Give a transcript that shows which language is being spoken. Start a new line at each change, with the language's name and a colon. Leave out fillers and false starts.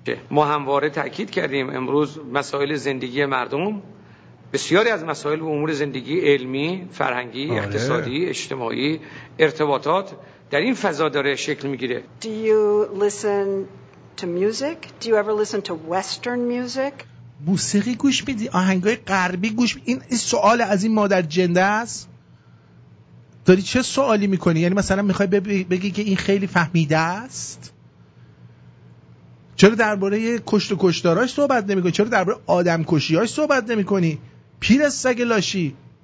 Persian: ما همواره تاکید کردیم امروز مسائل زندگی مردم، بسیاری از مسائل و امور زندگی علمی، فرهنگی، آره، اقتصادی، اجتماعی، ارتباطات در این فضا داره شکل میگیره.
English: Do you listen to music? Do you ever listen to western music?
Persian: موسیقی گوش میدی؟ آهنگای غربی گوش میدی؟ این سوال از این مادر جنده است؟ داری چه سوالی میکنی؟ یعنی مثلا میخوای بگی که این خیلی فهمیده است؟ چرا درباره کشت و کشتاراش صحبت نمی‌کنی؟ چرا درباره آدم‌کشی‌هاش صحبت نمی‌کنی؟ پیر سگ لاشی.